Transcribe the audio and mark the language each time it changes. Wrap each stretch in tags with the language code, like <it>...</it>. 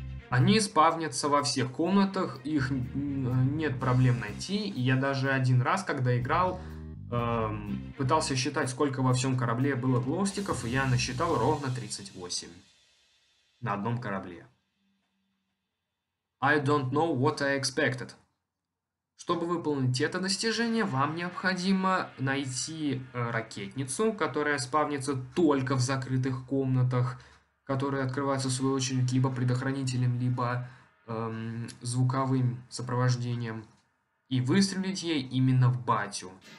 <ru>Они спавнятся во всех комнатах, их нет проблем найти. Я даже один раз, когда играл, пытался считать, сколько во всем корабле было глоустиков, и я насчитал ровно 38 на одном корабле.</ru> <en>I don't know what I expected.</en> <ru>Чтобы выполнить это достижение, вам необходимо найти ракетницу, которая спавнится только в закрытых комнатах, которые открываются в свою очередь либо предохранителем, либо звуковым сопровождением, и выстрелить ей именно в батю.</ru>